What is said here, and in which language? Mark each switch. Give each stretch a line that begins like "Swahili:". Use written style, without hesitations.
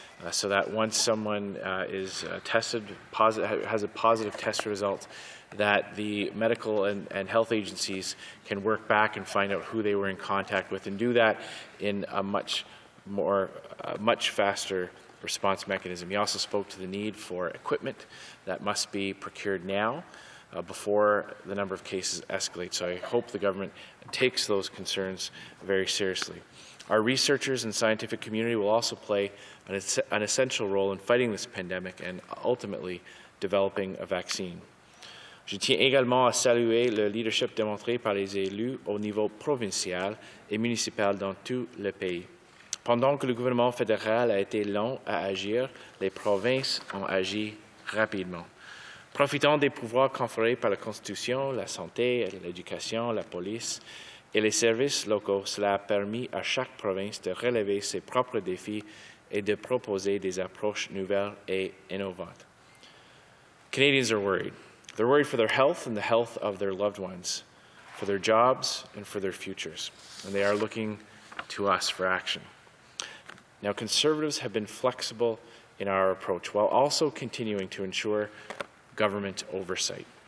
English: so that once someone is tested, has a positive test result, that the medical and health agencies can work back and find out who they were in contact with and do that in a much more, much faster response mechanism. He also spoke to the need for equipment that must be procured now, before the number of cases escalate. So I hope the government takes those concerns very seriously. Our researchers and scientific community will also play an essential role in fighting this pandemic and ultimately developing a vaccine.
French: Je tiens également à saluer le leadership démontré par les élus au niveau provincial et municipal dans tout le pays. Pendant que le gouvernement fédéral a été long à agir, les provinces ont agi rapidement. Profitant des pouvoirs conférés par la Constitution, la santé, l'éducation, la police et les services locaux, cela a permis à chaque province de relever ses propres défis et de proposer des approches nouvelles et innovantes.
English: Canadians are worried. They're worried for their health and the health of their loved ones, for their jobs and for their futures. And they are looking to us for action. Now, Conservatives have been flexible in our approach while also continuing to ensure government oversight.